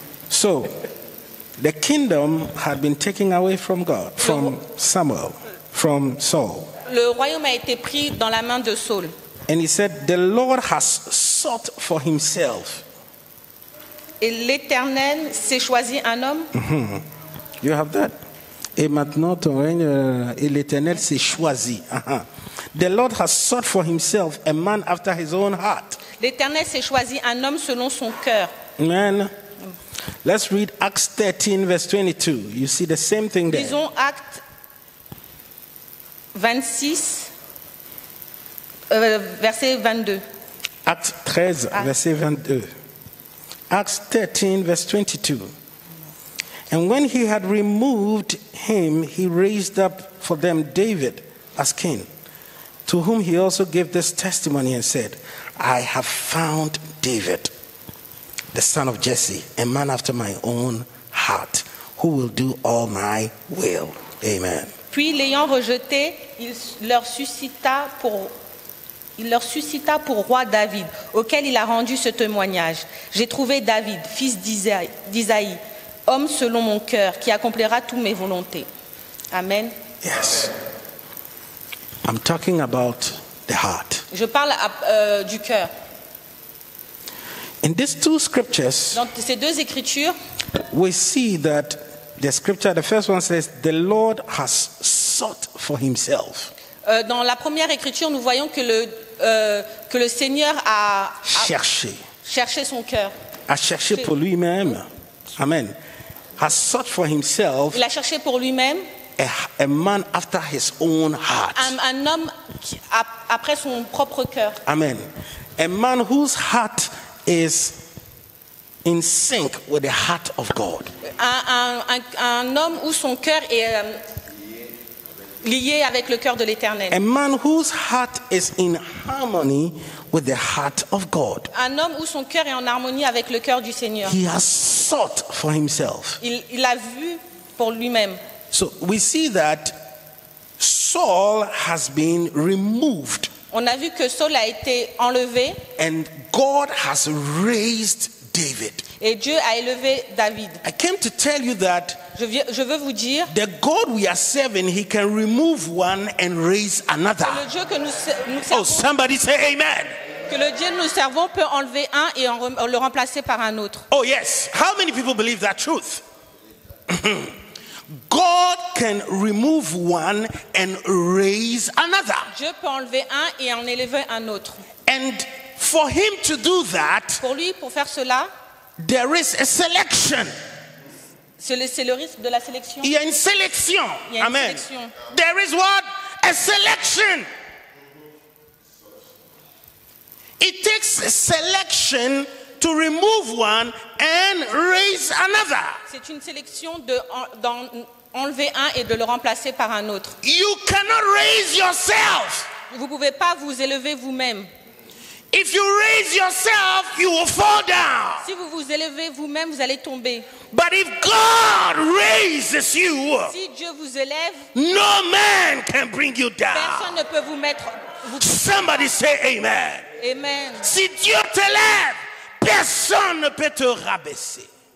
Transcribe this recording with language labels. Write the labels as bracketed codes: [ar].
[en] So, the kingdom had been taken away from God, from Samuel, from Saul. [fr] Le royaume a été pris dans la main de Saul. [en] And he said, "The Lord has sought for himself." [fr] Et l'Éternel s'est choisi un homme. [en] Mm-hmm. You have that. [fr] Et maintenant ton règne, et l'Éternel s'est choisi. [en] Uh-huh. The Lord has sought for himself a man after his own heart. [fr] L'Éternel s'est choisi un homme selon son cœur. [en] Amen. Let's read Acts 13, verse 22. You see the same thing there. [fr] Lisons Actes 26, verset 22. Acts 13, verset 22. [en] Acts 13, verse 22. And when he had removed him, he raised up for them David as king, to whom he also gave this testimony and said, I have found David, the son of Jesse, a man after my own heart, who will do all my will. Amen. [fr] Puis l'ayant rejeté, il leur suscita pour roi David, auquel il a rendu ce témoignage. J'ai trouvé David, fils d'Isaïe, homme selon mon cœur, qui accomplira toutes mes volontés. Amen. [en] Yes. I'm talking about the heart. [fr] Je parle du cœur. [en] In these two scriptures, [fr] dans ces deux écritures, [en] we see that the scripture, the first one says, the Lord has sought for himself. [fr] Dans la première écriture, nous voyons que le Seigneur a cherché. Cherché son cœur. A cherché pour lui-même. Amen. [en] Has sought for himself. [fr] Il a cherché pour lui-même. [en] A man after his own heart. [fr] Un homme qui a, après son propre cœur. Amen. [en] A man whose heart is in sync with the heart of God. [fr] Un homme où son cœur est lié avec le cœur de l'Éternel. [en] A man whose heart is in harmony with the heart of God. [fr] Un homme où son cœur est en harmonie avec le cœur du Seigneur. [en] He has sought for himself. [fr] Il a vu pour lui-même. [en] So we see that Saul has been removed. [fr] On a vu que Saul a été enlevé. [en] And God has raised David. [fr] Et Dieu a élevé David. [en] I came to tell you that [fr] je veux vous dire, [en] the God we are serving, he can remove one and raise another. [fr] Que le Dieu que nous servons, [en] oh, somebody say amen. [fr] Que le Dieu que nous servons peut enlever un et le remplacer par un autre. [en] Oh yes. How many people believe that truth? God can remove one and raise another. [fr] Dieu peut enlever un et en élever un autre. [en] And for him to do that, [fr] pour lui, pour faire cela, [en] there is a selection. [fr] C'est le risque de la sélection. Il y a une sélection. Il y a une Amen. Sélection. [en] There is what? A selection. It takes a selection to remove one and raise another. [fr] C'est une sélection d'enlever un et de le remplacer par un autre. [en] You cannot raise yourself. [fr] Vous pouvez pas vous élever vous-même. [en] If you raise yourself, you will fall down. [fr] Si vous vous élevez vous-même, vous allez tomber. [en] But if God raises you, [fr] si Dieu vous élève, [en] no man can bring you down. [fr] Personne ne peut vous mettre. [en] Somebody say amen. Amen. [fr] Si Dieu t'élève, personne ne peut te rabaisser.